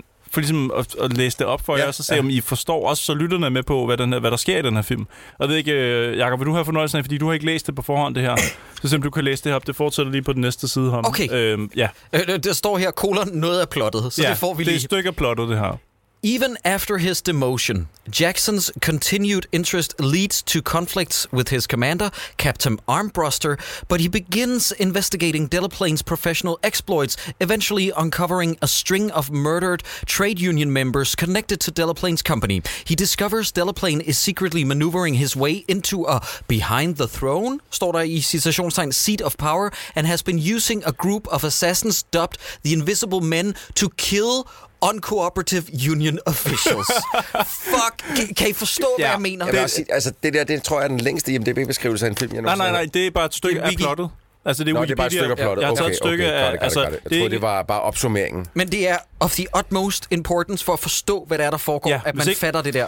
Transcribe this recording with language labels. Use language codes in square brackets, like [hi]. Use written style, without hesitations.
[da] for ligesom at læse det op for jer, og så se, om I forstår også, så lytterne med på, hvad der sker i den her film. Jeg ved ikke, Jacob, vil du have fornøjelsen af, fordi du har ikke læst det på forhånd, det her. Så simpelthen, du kan læse det her op. Det fortsætter lige på den næste side. Ham. Okay. Ja. Der står her, kolon, noget er plottet. Så det får vi lige. Det er et stykke af plottet, det her. [en] Even after his demotion, Jackson's continued interest leads to conflicts with his commander, Captain Armbruster, but he begins investigating Delaplane's professional exploits, eventually uncovering a string of murdered trade union members connected to Delaplane's company. He discovers Delaplane is secretly maneuvering his way into a behind the throne, [da] står der i citationstegn, [en] seat of power, and has been using a group of assassins dubbed the Invisible Men to kill uncooperative union officials. [da] Fuck, kan I forstå, ja, hvad jeg mener? Det, jeg sige, altså, det der, det tror jeg er den længste IMDb-beskrivelse af en film, jeg nogensinde. Nej, det er bare et stykke af plottet. Altså, det er, nå, det er bare et stykke af plottet. Jeg har taget et stykke af... Jeg troede, det var bare opsummeringen. Men det er [en] of the utmost importance [da] for at forstå, hvad der er, der foregår, ja, at man ikke fatter det der.